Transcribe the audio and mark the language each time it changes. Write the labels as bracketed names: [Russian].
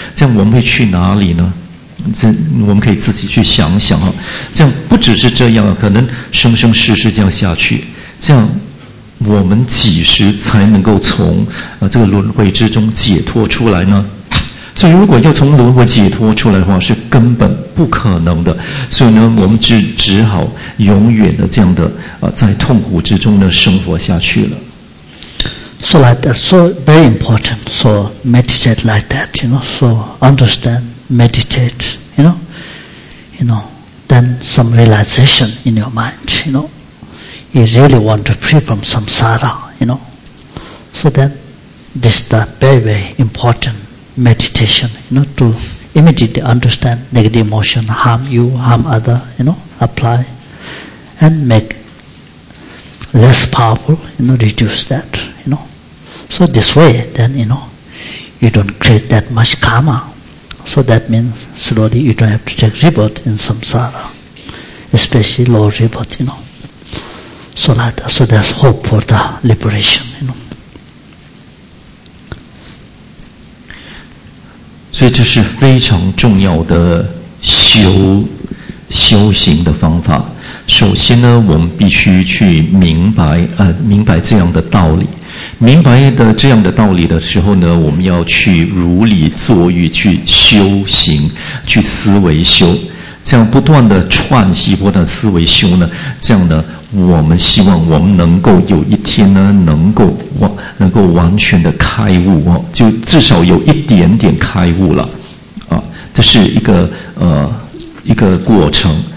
[Chinese] 这样我们会去哪里呢？这我们可以自己去想想啊。这样不只是这样，可能生生世世这样下去，这样我们几时才能够从这个轮回之中解脱出来呢？所以如果要从轮回解脱出来的话是根本不可能的，所以呢我们只好永远的这样的在痛苦之中呢生活下去了。 [English] So like that, so very important, so meditate like that, you know, so understand, meditate, you know, then some realization in your mind, you know, you really want to free from samsara, you know, so then this is the very, very importantmeditation, you know, to immediately understand negative emotion, harm you, harm other, you know, apply and make less powerful, you know, reduce that, you know. So this way, then, you know, you don't create that much karma. So that means slowly you don't have to take rebirth in samsara, especially low rebirth, you know. So like that, so there's hope for the liberation, you know. [Chinese] 所以这是非常重要的修行的方法。首先呢，我们必须去明白这样的道理。明白的这样的道理的时候呢，我们要去如理作欲，去修行，去思维修，这样不断的串习，不断的思维修呢，这样呢，我们希望我们能够有一天呢，能够完全的开悟哦，就至少有一点点开悟了，这是一个过程。